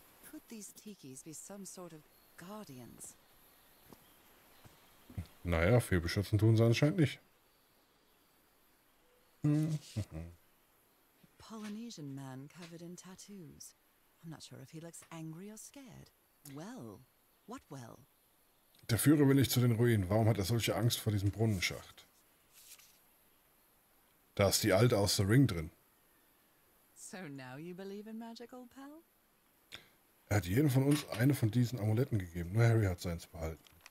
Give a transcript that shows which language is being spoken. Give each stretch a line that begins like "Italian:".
English: Could these tikis be some sort of guardians?
German: Naja, viel beschützen tun sie anscheinend nicht.
English: A Polynesian man covered in tattoos. I'm not sure if he looks angry or scared. Well, what well?
German: Der Führer will nicht zu den Ruinen. Warum hat er solche Angst vor diesem Brunnenschacht? Da ist die Alte aus The Ring drin.
English: So now you believe in magic, old pal?
German: Er hat jedem von uns eine von diesen Amuletten gegeben. Nur Harry hat seins behalten.